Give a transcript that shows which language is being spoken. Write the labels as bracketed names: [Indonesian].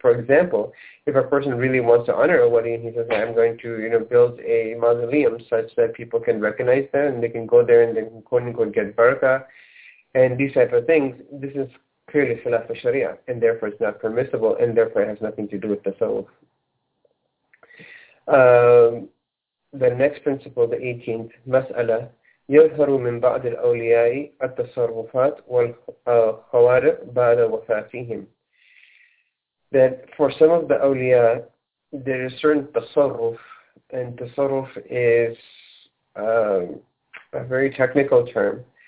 [English] For example, if a person really wants to honor a wali and he says, I'm going to, you know, build a mausoleum such that people can recognize them and they can go there and they can quote unquote get barakah and these type of things, this is clearly khilaf al-Sharia, and therefore it's not permissible, and therefore it has nothing to do with the soul. The next principle, the 18th, [Arabic] mas'ala, يظهر من بعض الأولياء التصرفات والخوارق بعد وفاتهم. [English] That for some of the awliya, there is certain tasarruf, and tasarruf is a very technical term.